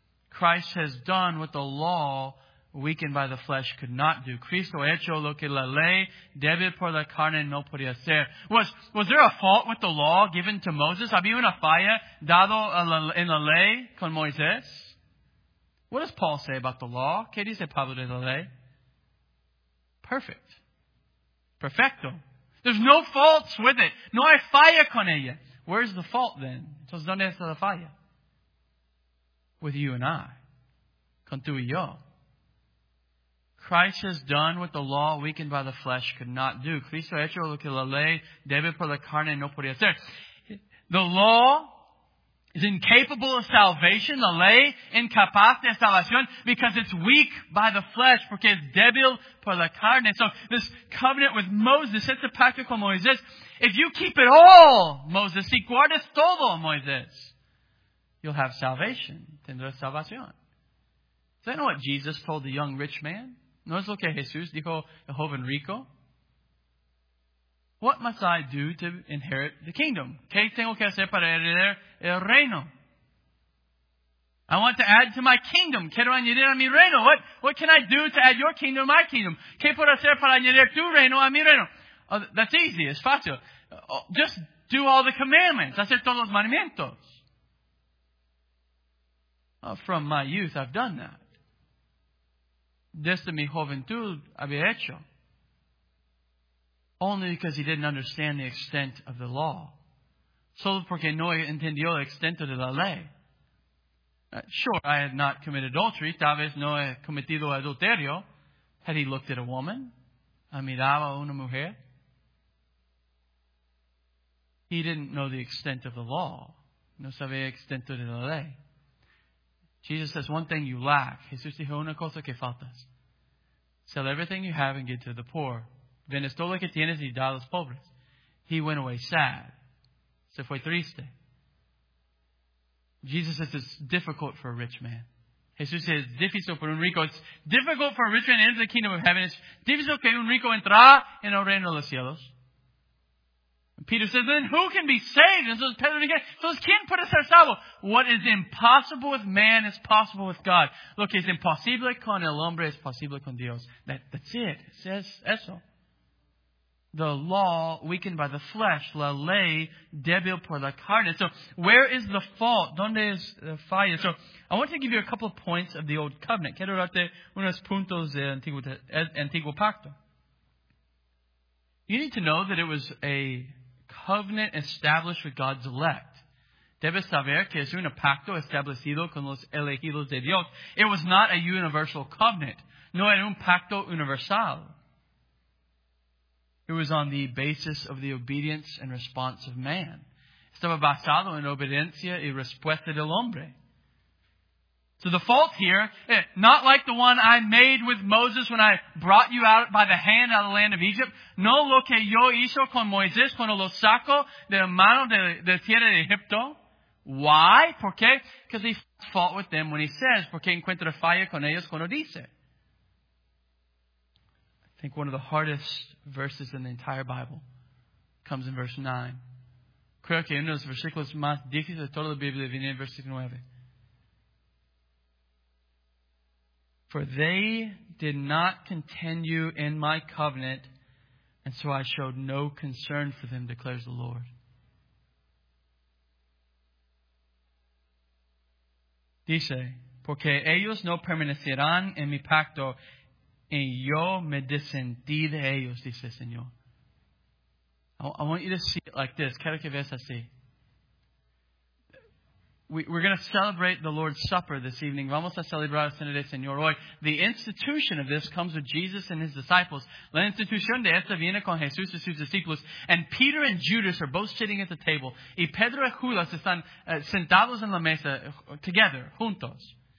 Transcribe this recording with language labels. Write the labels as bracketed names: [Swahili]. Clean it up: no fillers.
[English] Christ has done what the law, weakened by the flesh, could not do. [Spanish] Cristo hecho lo que la ley, débil por la carne, no podía hacer. [English] Was there a fault with the law given to Moses? [Spanish] ¿Había una falla dado en la ley con Moisés? [English] What does Paul say about the law? [Spanish] ¿Qué dice Pablo de la ley? [English] Perfect. [Spanish] Perfecto. [English] There's no faults with it. [Spanish] No hay falla con ella. [English] Where's the fault then? [Spanish] Entonces, ¿dónde está la falla? [English] With you and I. [Spanish] Con tú y yo. [English] Christ has done what the law, weakened by the flesh, could not do. [Spanish] Cristo ha hecho lo que la ley, débil por la carne, no podía hacer. [English] The law is incapable of salvation. [Spanish] La ley, incapaz de salvación, [English] because it's weak by the flesh, [Spanish] porque es débil por la carne. [English] So this covenant with Moses, it's a [Spanish] pacto con Moisés. [English] If you keep it all, Moses, [Spanish] si guardas todo, Moisés, [English] you'll have salvation. [Spanish] Tendrás salvación. [English] Do you know what Jesus told the young rich man? [Spanish] ¿No es lo que Jesús dijo al joven rico? [English] What must I do to inherit the kingdom? [Spanish] ¿Qué tengo que hacer para heredar el reino? [English] I want to add to my kingdom. [Spanish] Quiero añadir a mi reino. [English] What can I do to add your kingdom to my kingdom? [Spanish] ¿Qué puedo hacer para añadir tu reino a mi reino? [English] Oh, that's easy. It's fácil. Just do all the commandments. [Spanish] Hacer todos los mandamientos. [English] Oh, from my youth, I've done that. [Spanish] Desde mi juventud había hecho. [English] Only because he didn't understand the extent of the law. [Spanish] Solo porque no entendió el extento de la ley. [English] Sure, I had not committed adultery. [Spanish] Tal vez no he cometido adulterio. [English] Had he looked at a woman? [Spanish] ¿A miraba a una mujer? [English] He didn't know the extent of the law. [Spanish] No sabía el extento de la ley. [English] Jesus says, one thing you lack. [Spanish] Jesús dijo, una cosa que faltas. [English] Sell everything you have and give to the poor. [Spanish] Vendes todo lo que tienes y da a los pobres. [English] He went away sad. [Spanish] Se fue triste. [English] Jesus says it's difficult for a rich man. Jesús says, [Spanish] difícil para un rico. [English] It's difficult for a rich man to enter the kingdom of heaven. It's [Spanish] difícil que un rico entra en el reino de los cielos. [English] Peter says, then who can be saved? And so Pedro again, so [Spanish] ¿quién puede ser salvo? [English] What is impossible with man is possible with God. [Spanish] Lo que es imposible con el hombre es posible con Dios. [English] That's it. It says eso. The law weakened by the flesh. [Spanish] La ley débil por la carne. [English] So where is the fault? [Spanish] ¿Dónde es la falla? [English] So I want to give you a couple of points of the old covenant. [Spanish] Quiero darte unos puntos del antiguo pacto. [English] You need to know that it was a covenant established with God's elect. [Spanish] Debes saber que es un pacto establecido con los elegidos de Dios. [English] It was not a universal covenant. [Spanish] No era un pacto universal. [English] It was on the basis of the obedience and response of man. [Spanish] Estaba basado en obediencia y respuesta del hombre. [English] So the fault here, not like the one I made with Moses when I brought you out by the hand out of the land of Egypt. [Spanish] No lo que yo hizo con Moisés cuando lo saco de la mano de tierra de Egipto. [English] Why? [Spanish] ¿Por qué? [English] Because he fought with them when he says, [Spanish] porque encuentra falla con ellos cuando dice. [English] I think one of the hardest verses in the entire Bible comes in verse 9. [Spanish] Creo que uno de los versículos más difíciles de toda la Biblia viene en versículo 9. [English] For they did not contend you in my covenant, and so I showed no concern for them, declares the Lord. [Spanish] Dice, porque ellos no permanecerán en mi pacto, y yo me desentí de ellos, dice el Señor. [English] I want you to see it like this. [Spanish] Quiero que veas así. [English] We're going to celebrate the Lord's Supper this evening. [Spanish] Vamos a celebrar la Cena del Señor hoy. [English] The institution of this comes with Jesus and His disciples. [Spanish] La institución de esta viene con Jesús y sus discípulos. [English] And Peter and Judas are both sitting at the table. [Spanish] Y Pedro y Judas están sentados en la mesa [English] together, [Spanish] juntos.